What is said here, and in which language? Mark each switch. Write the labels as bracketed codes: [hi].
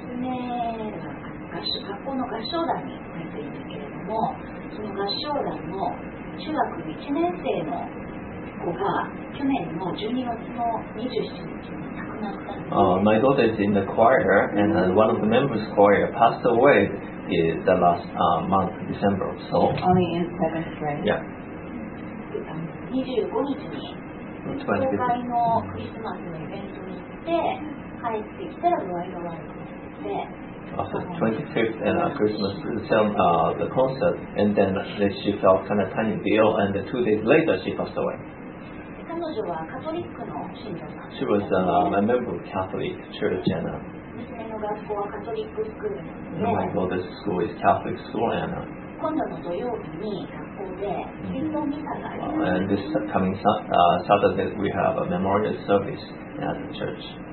[ja] 学校の合唱団に入っているんだけれども、その合唱団の中学1年生の子が去年の12月の27日に亡くなったんです。 [en] My daughter is in the choir and one of the members choir passed away in the last month December so only in 7th grade. Yeah. [ja] 25日に教会のクリスマスのイベントに行って帰ってきたら具合が悪くなって、 [en] After the 25th and Christmas the concert, and then she felt kind of tiny ill, and 2 days later she passed away. She was a member of Catholic Church, and my daughter's school is Catholic school, and this coming Saturday we have a memorial service at the church.